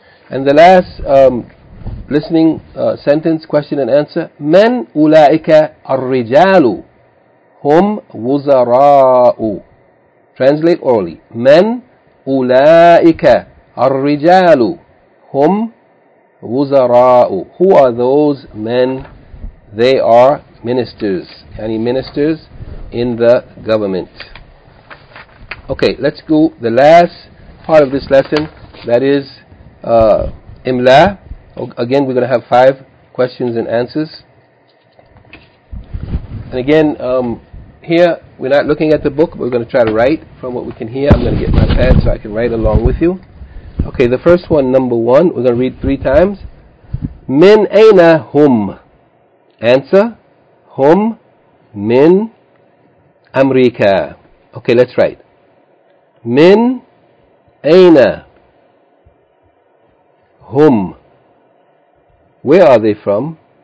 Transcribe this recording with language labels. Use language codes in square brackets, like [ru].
[en] And the last listening sentence, question and answer. [ar] من أولئك الرجال؟ هم وزراء. [en] Translate orally. [ar] من أولئك الرجال؟ هم وزراء. [en] Who are those men? They are ministers. Any ministers in the government. Okay, let's go the last part of this lesson. That is Imla. Again, we're going to have five questions and answers. And again, here we're not looking at the book. We're going to try to write from what we can hear. I'm going to get my pad so I can write along with you. Okay, the first one, number one, we're going to read three times. [ar] من أين هم؟ [en] Answer, [ar] هم من أمريكا. [en] Okay, let's write. [ar] من أين هم؟ [en] Where are they from?